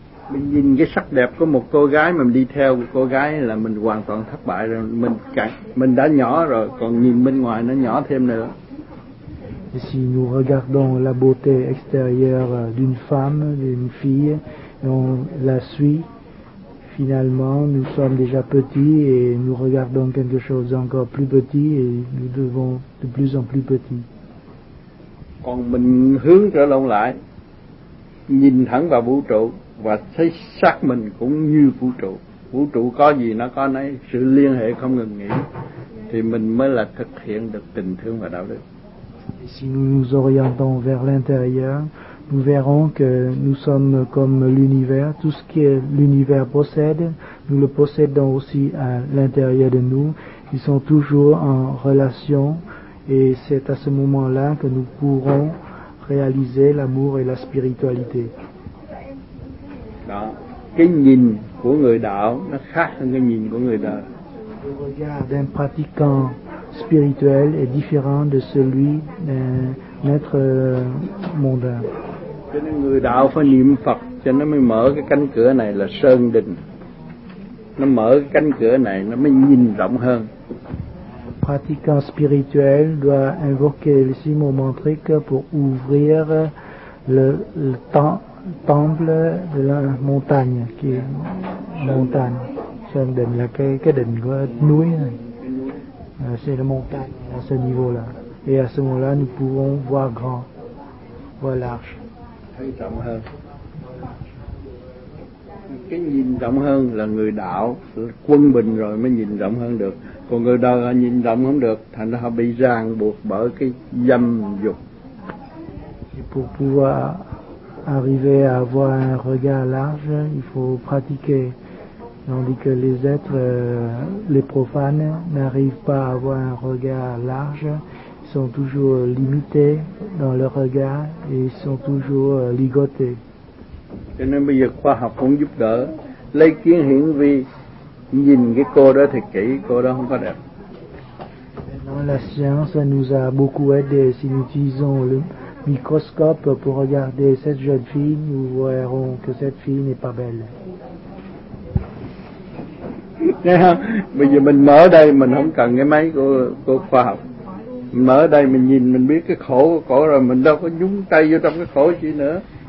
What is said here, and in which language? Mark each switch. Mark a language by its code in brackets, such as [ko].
[vi] Mình nhìn cái sắc đẹp của một cô gái mà mình đi theo cô gái là mình hoàn toàn thất bại rồi, mình đã nhỏ rồi, còn nhìn bên ngoài nó nhỏ thêm nữa. [fr] Et si nous regardons la beauté extérieure d'une femme, d'une fille, et on la suit, finalement nous sommes déjà petits et nous regardons quelque chose encore plus petit et nous devons de plus en plus petits. [vi] Còn mình hướng trở lông lại, nhìn thẳng vào vũ trụ và thấy xác mình cũng như vũ trụ. Vũ trụ có gì nó có nấy, sự liên hệ không ngừng nghỉ, thì mình mới là thực hiện được tình thương và đạo đức. [fr] Et si nous nous orientons vers l'intérieur, nous verrons que nous sommes comme l'univers. Tout ce que l'univers possède, nous le possédons aussi à l'intérieur de nous. Ils sont toujours en relation et c'est à ce moment-là que nous pourrons réaliser l'amour et la spiritualité. [vi] Đó, cái nhìn của người đạo nó khác hơn cái nhìn của người đời. [fr] Le regard d'un pratiquant spirituel est différent de celui d'un être mondain. [vi] Cho nên người đạo phải niệm Phật cho nó mới mở cái cánh cửa này là sơn định. Nó mở cái cánh cửa này nó mới nhìn rộng hơn. [fr] Le pratiquant spirituel doit invoquer le Simon Mantrique pour ouvrir le temps. Temple de la montagne, qui est montagne, [vi] Sơn đình, là cái đình của núi này, [fr] c'est la montagne à ce niveau-là. Et à ce moment-là, nous pouvons voir grand, voir large. [vi] Thấy rộng hơn. Cái nhìn rộng hơn là người đạo, quân bình rồi mới nhìn rộng hơn được. Còn người đời họ nhìn rộng không được, thành ra họ bị ràng buộc bởi cái dâm dục. [fr] Pour pouvoir arriver à avoir un regard large, il faut pratiquer. Tandis que les êtres, les profanes, n'arrivent pas à avoir un regard large, ils sont toujours limités dans leur regard et ils sont toujours ligotés. [vi] Cho nên bây giờ khoa học cũng giúp đỡ. Lấy kiến hiển vi, nhìn cái cô đó thật kỹ, cô đó không có đẹp. [fr] Maintenant, la science nous a beaucoup aidé si nous utilisons le microscope pour regarder cette jeune fille, nous verrons que cette fille n'est pas belle. [vi] Bây giờ mình mở đây mình không cần cái máy của khoa học. Mở đây mình nhìn mình biết cái khổ của cổ rồi, mình đâu có nhúng tay vô trong cái khổ chi nữa.